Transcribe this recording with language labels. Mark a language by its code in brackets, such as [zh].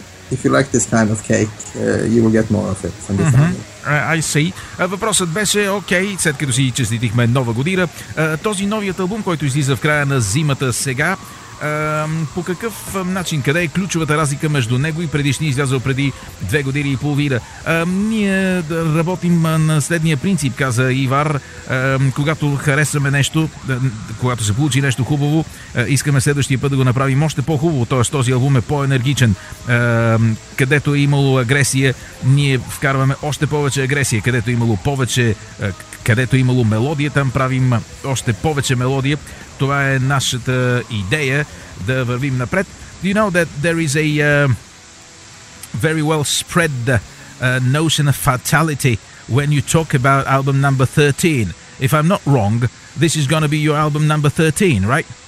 [en] If you like this kind of cake, you will get more of it from this album. Mm-hmm. I see. [bg] Въпросът беше окей, след като си честитихме нова година. Този новият албум, който излиза в края на зимата сега, по какъв начин, къде е ключовата разлика между него и предишни, излязъл преди 2 години и половина? Ние работим на следния принцип, каза Ивар. Когато харесаме нещо, когато се получи нещо хубаво, искаме следващия път да го направим още по-хубаво, т.е. този албум е по-енергичен. Където е имало агресия, ние вкарваме още повече агресия. Където е имало повече, където е имало мелодия, там правим още повече мелодия. Това е нашата идея да вървим напред. [en] Do you know that there is a very well spread notion of fatality when you talk about album number 13? If I'm not wrong, this is going to be your album number 13, right?